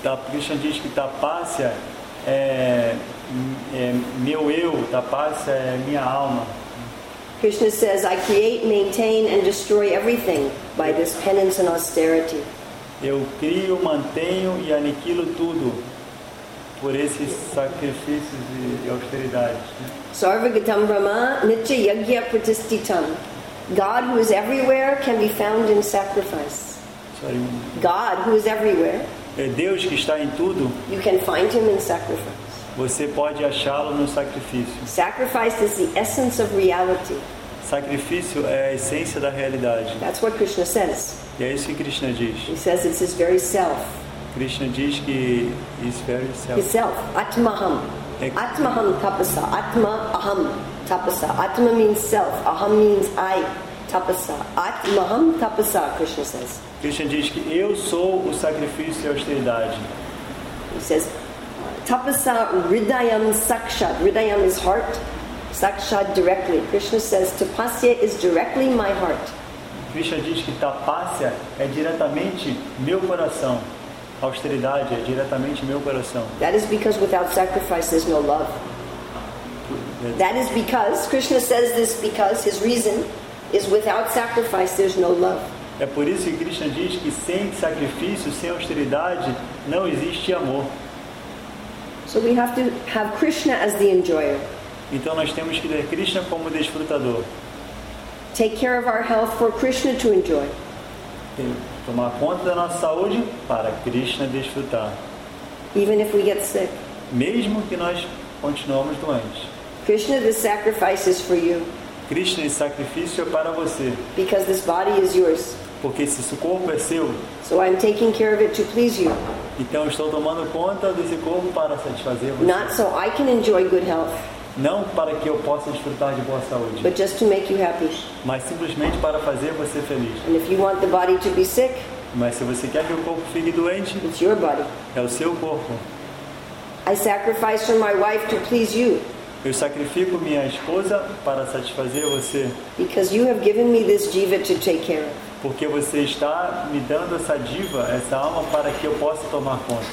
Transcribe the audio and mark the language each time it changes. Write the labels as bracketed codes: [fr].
[pt] Krishna diz que tapasya é meu eu, tapasya é minha alma. [en] Krishna says, I create, maintain and destroy everything by this penance and austerity. [pt] Eu crio, mantenho e aniquilo tudo por esses sacrifícios de austeridade. [sa] Sarvagatam Brahma Nitya Yagya Pratistitam. [en] God who is everywhere can be found in sacrifice. Sorry. God who is everywhere. [pt] É Deus que está em tudo. [en] You can find him in sacrifice. [pt] Você pode achá-lo no sacrifício. [en] Sacrifice is the essence of reality. [pt] Sacrifício é a essência da realidade. [en] That's what Krishna says. [pt] E é isso que Krishna diz. [en] He says it's his very self. [pt] Krishna diz que [en] is very self. His self, [sa] Atmaham. Atmaham tapasa, atma aham tapasa. [en] Atma means self, aham means I, tapasa. [sa] Atmaham tapasa, [en] Krishna says. [pt] Krishna diz que eu sou o sacrifício e a austeridade. [en] He says, [sa] tapasa ridayam sakshat. [en] Ridayam is heart, Sakshat directly. Krishna says, Tapasya is directly my heart. [pt] Krishna diz que tapasya é diretamente meu coração. Austeridade é diretamente meu coração. [en] That is because without sacrifice there's no love. That is because Krishna says this because his reason is without sacrifice there's no love. [pt] É por isso que Krishna diz que sem sacrifício, sem austeridade, não existe amor. [en] So we have to have Krishna as the enjoyer. [pt] Então nós temos que ter Krishna como desfrutador. [en] Take care of our health for Krishna to enjoy. [pt] Tomar conta da nossa saúde para Krishna desfrutar. [en] Even if we get sick. [pt] Mesmo que nós continuemos doentes. [en] Krishna, this sacrifice is for you. [pt] Krishna, esse sacrifício é para você. [en] Because this body is yours. [pt] Porque esse corpo é seu. [en] So I'm taking care of it to please you. [pt] Então estou tomando conta desse corpo para satisfazer você. [en] Not so I can enjoy good health. [pt] Não para que eu possa desfrutar de boa saúde. [en] But just to make you happy. [pt] Mas simplesmente para fazer você feliz. [en] And if you want the body to be sick, [pt] mas se você quer que o corpo fique doente, [en] it's your body. [pt] É o seu corpo. [en] I sacrifice for my wife to please you. [pt] Eu sacrifico minha esposa para satisfazer você. [en] Because you have given me this jiva to take care of. [pt] Porque você está me dando essa diva, essa alma, para que eu possa tomar conta.